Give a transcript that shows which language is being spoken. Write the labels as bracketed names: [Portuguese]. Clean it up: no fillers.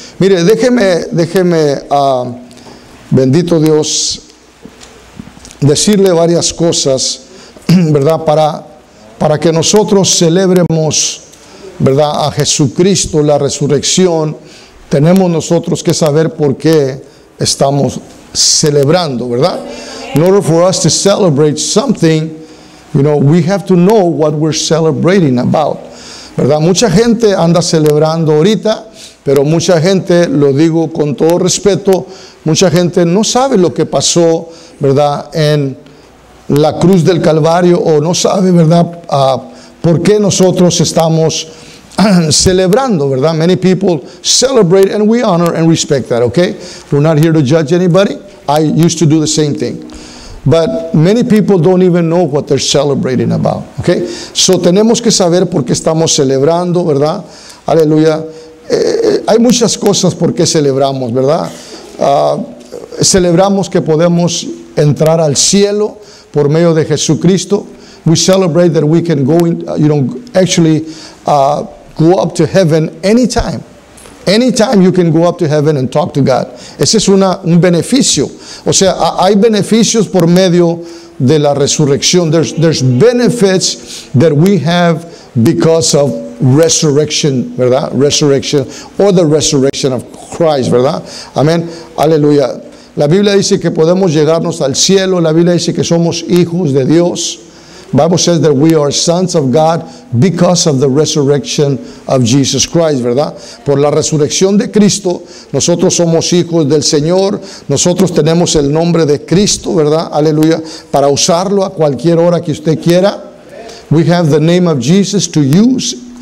[Spanish] Mire, déjeme, bendito Dios, decirle varias cosas, ¿verdad? Para que nosotros celebremos, ¿verdad?, a Jesucristo, la resurrección, tenemos nosotros que saber por qué estamos celebrando, ¿verdad? [English] In order for us to celebrate something, you know, we have to know what we're celebrating about, ¿verdad? [Spanish] Mucha gente anda celebrando ahorita, pero mucha gente, lo digo con todo respeto, mucha gente no sabe lo que pasó, ¿verdad?, en la cruz del Calvario, o no sabe, ¿verdad?, por qué nosotros estamos celebrando, ¿verdad? [English] Many people celebrate and we honor and respect that, okay? We're not here to judge anybody. I used to do the same thing. But many people don't even know what they're celebrating about, okay? So [Spanish] tenemos que saber por qué estamos celebrando, ¿verdad? Aleluya. Hay muchas cosas por qué celebramos, ¿verdad? Celebramos que podemos entrar al cielo por medio de Jesucristo. [English] We celebrate that we can go in, go up to heaven anytime. Anytime you can go up to heaven and talk to God. [Spanish] Ese es un beneficio. O sea, hay beneficios por medio de la resurrección. [English] There's benefits that we have because of resurrection, ¿verdad? Resurrection or the resurrection of Christ, ¿verdad? Amén. Aleluya. [Spanish] La Biblia dice que podemos llegarnos al cielo. La Biblia dice que somos hijos de Dios. [English] Bible says that we are sons of God because of the resurrection of Jesus Christ, ¿verdad? [Spanish] Por la resurrección de Cristo, nosotros somos hijos del Señor. Nosotros tenemos el nombre de Cristo, ¿verdad? Aleluya. Para usarlo a cualquier hora que usted quiera. [English] We have the name of Jesus to use.